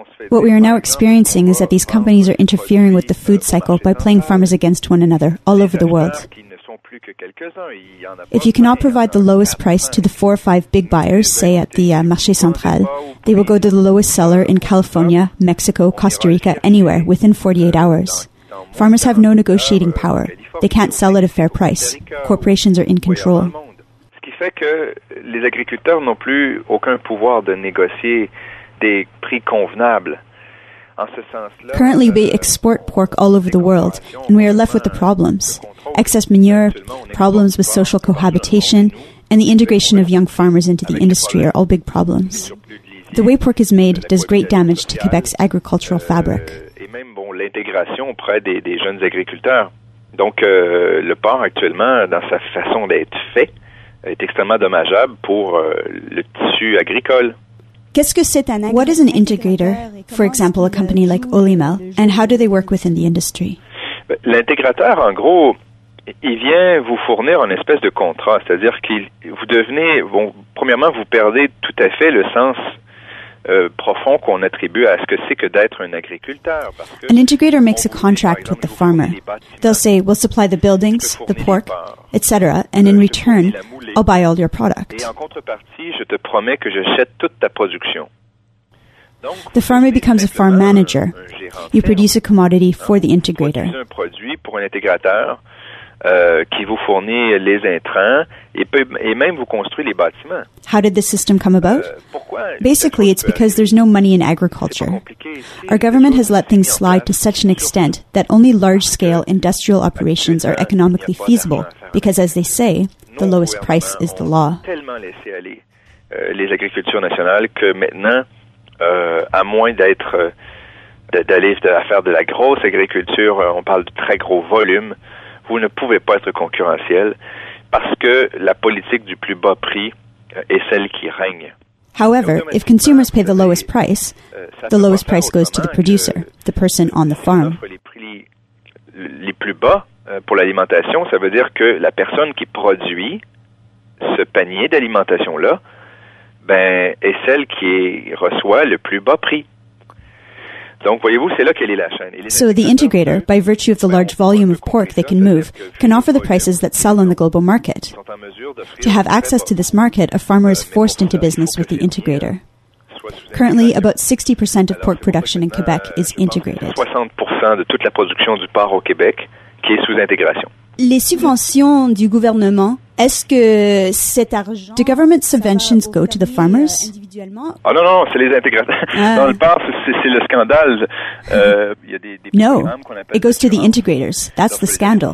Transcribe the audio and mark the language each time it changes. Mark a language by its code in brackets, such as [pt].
[en] What we are now experiencing is that these companies are interfering with the food cycle by playing farmers against one another all over the world. If you cannot provide the lowest price to the 4 or 5 big buyers, say at the Marché Central, they will go to the lowest seller in California, Mexico, Costa Rica, anywhere within 48 hours. Farmers have no negotiating power. They can't sell at a fair price. Corporations are in control. [fr] Ce qui fait que les agriculteurs n'ont plus aucun pouvoir de négocier des prix convenables. [en] Currently, we export pork all over the world, and we are left with the problems. Excess manure, problems with social cohabitation, and the integration of young farmers into the industry are all big problems. The way pork is made does great damage to Quebec's agricultural fabric. [fr] L'intégration auprès des jeunes agriculteurs. Donc, le porc actuellement, dans sa façon d'être fait, est extrêmement dommageable pour le tissu agricole. Qu'est-ce que c'est un agriculteur? [en] What is an integrator, for example, a company like Olimel, and how do they work within the industry? [fr] L'intégrateur, en gros, il vient vous fournir une espèce de contrat, c'est-à-dire qu'il vous devenez, bon, premièrement, vous perdez tout à fait le sens profond qu'on attribue à ce que c'est que d'être un agriculteur. [en] An integrator makes a contract with the farmer. They'll say, we'll supply the buildings, the pork, etc., and in return, I'll buy all your product. [fr] Et en contrepartie, je te promets que j'achète toute ta production. [en] The farmer becomes a farm manager. You produce a commodity for the integrator. [fr] Un produit pour un intégrateur, qui vous fournit les intrants et peut, et même vous construit les bâtiments. [en] How did this system come about? Basically, it's because there's no money in agriculture. Our government has let things slide to such an extent that only large-scale industrial operations are economically feasible, because as they say, the lowest price is the law. [fr] Tellement laissé aller les agricultures nationales que maintenant, à moins d'être d'aller faire de la grosse agriculture, on parle de très gros volumes, vous ne pouvez pas être concurrentiel parce que la politique du plus bas prix est celle qui règne. [en] However, if consumers pay the lowest price, the lowest price goes to the producer, the person on the farm. [fr] Les prix les plus bas pour l'alimentation, ça veut dire que la personne qui produit ce panier d'alimentation-là ben, est celle qui reçoit le plus bas prix. Donc, voyez-vous, c'est là qu'elle est la chaîne. [en] So the integrator, by virtue of the large volume of pork they can move, can offer the prices that sell on the global market. To have access to this market, a farmer is forced into business with the integrator. Currently, about 60% of pork production in Quebec is integrated. [fr] 60% de toute la production du porc au Québec qui est sous intégration. Les subventions du gouvernement, est-ce que cet argent... [en] Do government subventions go to the farmers? [fr] Oh non, non, c'est les intégrateurs. Dans le parc, c'est le scandale. Y a des no, qu'on appelle [en] it goes to the integrators. That's the scandal.